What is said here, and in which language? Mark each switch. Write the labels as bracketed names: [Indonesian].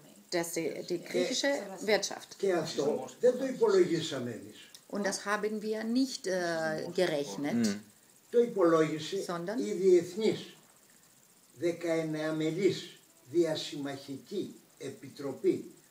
[German] Das die griechische Wirtschaft. [Greek] Και αυτό δεν το υπολογίσαμε εμείς. [German] Und das haben wir nicht gerechnet. [Greek] Το υπολόγισε η Διεθνής 19 μελής διασυμμαχική επιτροπή